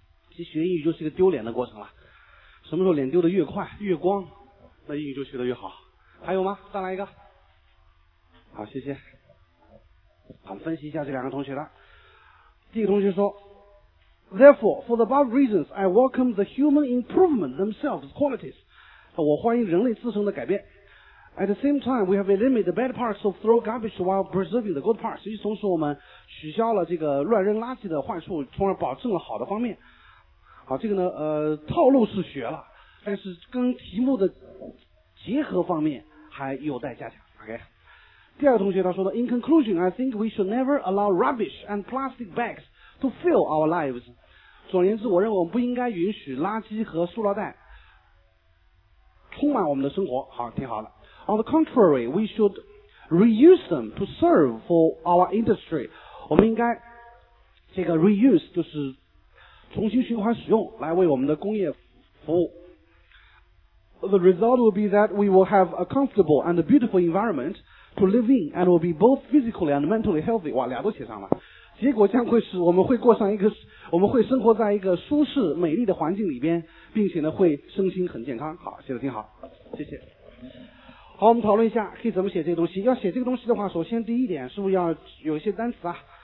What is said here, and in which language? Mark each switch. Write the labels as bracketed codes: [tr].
[zh] 其实学英语就是一个丢脸的过程了。什么时候脸丢得越快越光，那英语就学得越好。还有吗？再来一个。好，谢谢。好，分析一下这两个同学的。第一个同学说， [en] Therefore, for the above reasons, I welcome the human improvement themselves qualities. [zh] 我欢迎人类自身的改变。 [en] At the same time, we have eliminated the bad parts of throw garbage while preserving the good parts. [zh] 实际同时我们取消了这个乱扔垃圾的坏处，从而保证了好的方面。好，这个呢，套路是学了，但是跟题目的结合方面还有待加强。 [en] OK。 [zh] 第二个同学他说的 [en] ，In conclusion, I think we should never allow rubbish and plastic bags. To fill our lives. [zh] 总而言之，我认为我们不应该允许垃圾和塑料袋充满我们的生活。好，挺好的。 [en] On the contrary, we should reuse them to serve for our industry. [zh] 我们应该这个 reuse 就是重新循环使用，来为我们的工业服务。 [en] The result will be that we will have a comfortable and a beautiful environment to live in, and will be both physically and mentally healthy. [zh] 哇，俩都写上了。结果将会是我们会过上一个，我们会生活在一个舒适美丽的环境里边，并且呢会身心很健康。好，写得挺好，谢谢。好，我们讨论一下可以怎么写这个东西。要写这个东西的话，首先第一点是不是要有一些单词啊？